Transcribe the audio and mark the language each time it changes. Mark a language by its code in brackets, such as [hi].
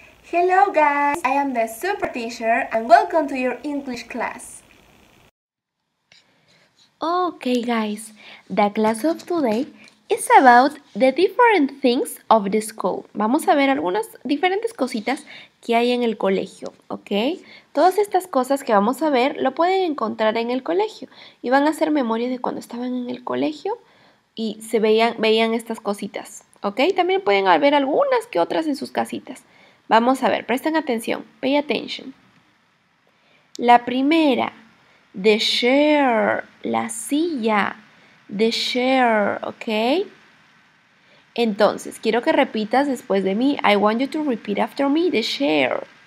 [en] Hello guys, I am the super teacher and welcome to your English class. Okay guys, the class of today is about the different things of the school. [es] Vamos a ver algunas diferentes cositas que hay en el colegio, ¿ok? Todas estas cosas que vamos a ver lo pueden encontrar en el colegio y van a ser memorias de cuando estaban en el colegio y se veían estas cositas, ¿ok? También pueden haber algunas que otras en sus casitas. Vamos a ver, presten atención, [en] pay attention. [es] La primera, [en] the chair, [es] la silla, [en] the chair, [es] ¿ok? Entonces, quiero que repitas después de mí. [en] I want you to repeat after me, the chair.